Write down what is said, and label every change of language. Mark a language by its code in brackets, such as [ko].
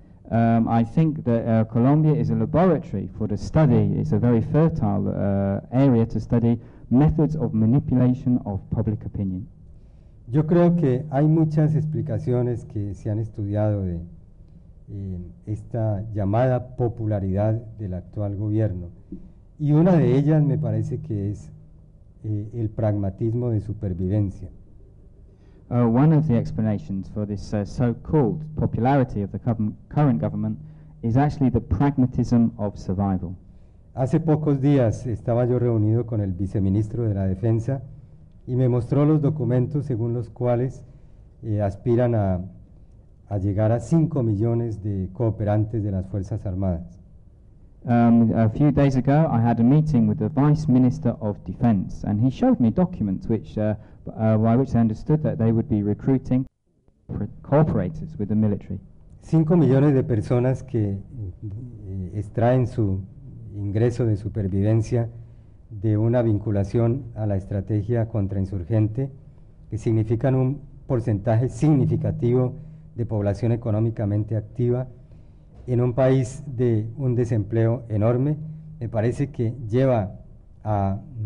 [en] I think that Colombia is a laboratory for the study, it's a very fertile area to study methods of manipulation of public opinion. [es] Yo creo que hay muchas explicaciones que se han estudiado de esta llamada popularidad del actual gobierno. Y una de ellas me parece que es el pragmatismo de supervivencia. [en] One of the explanations for this so-called popularity of the current government is actually the pragmatism of survival. [es] Hace pocos días estaba yo reunido con el viceministro de la Defensa y me mostró los documentos según los cuales aspiran a llegar a 5 millones de cooperantes de las Fuerzas Armadas. [en] A few days ago, I had a meeting with the Vice Minister of Defense, and he showed me documents by which I understood that they would be recruiting cooperators with the military. [es] 5 millones de personas que extraen su ingreso de supervivencia de una vinculación a la estrategia contrainsurgente, que significan un porcentaje significativo de población económicamente activa en un país de un desempleo enorme, me parece que lleva a